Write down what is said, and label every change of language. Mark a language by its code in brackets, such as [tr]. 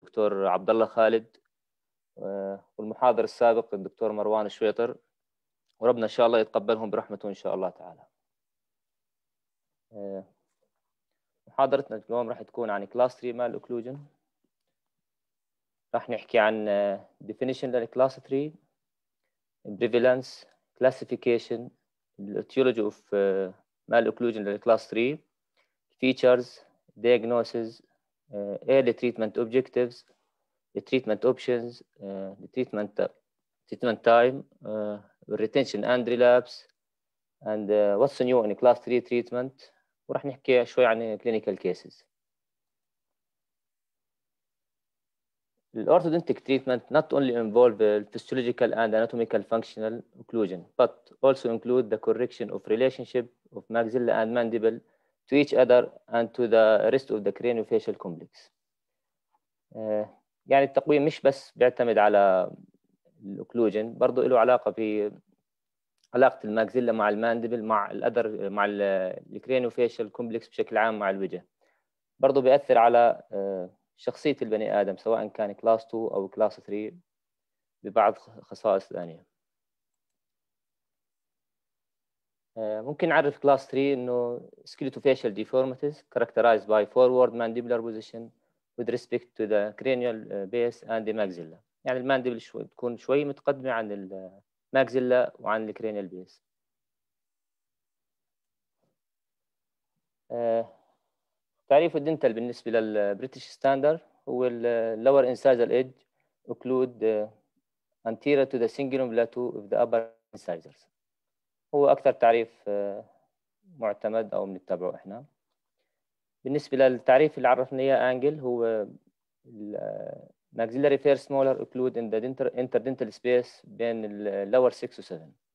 [ar] الدكتور عبد الله خالد، والمحاضر السابق الدكتور مروان الشويطر، وربنا إن شاء الله يتقبلهم برحمته إن شاء الله تعالى. محاضرتنا اليوم راح تكون عن class three mal occlusion. راح نحكي عن [en] definition لل class three, prevalence, classification, etiology of mal occlusion لل class three, features, diagnosis, early treatment objectives, the treatment options, the treatment time, retention and relapse, and what's new in class three treatment. [ar] وراح نحكي شوي عن clinical cases. [en] The orthodontic treatment not only involve the physiological and anatomical functional occlusion, but also include the correction of relationship of maxilla and mandible to each other and to the rest of the craniofacial complex. [ar] يعني التقويم مش بس بيعتمد على الأوكلوجين، برضو له علاقة في علاقة الماكزيلا مع الماندبل مع الأدر مع الكرينوفيشال كومبلكس بشكل عام مع الوجه، برضو بيأثر على شخصية البني آدم سواء كان كلاس 2 أو كلاس 3 ببعض خصائص ثانية. ممكن نعرف كلاس 3 إنه [en] Skeletal facial deformities characterized by forward mandibular position with respect to the cranial base and the maxilla. [ar] يعني الماندبل شوي تكون شوي متقدمة عن الماكزيلا وعن الكرينيال بيس. تعريف الدنتال بالنسبة للبريتش ستاندر هو ال [en] lower incisal edge occlude anterior to the cingulum plateau of the upper incisors. [ar] هو أكثر تعريف معتمد أو بنتبعه إحنا. بالنسبة للتعريف اللي عرفنا إياه أنجل هو [en] maxillary first molar occlude in the interdental space [ar] بين ال [en] lower 6 و 7.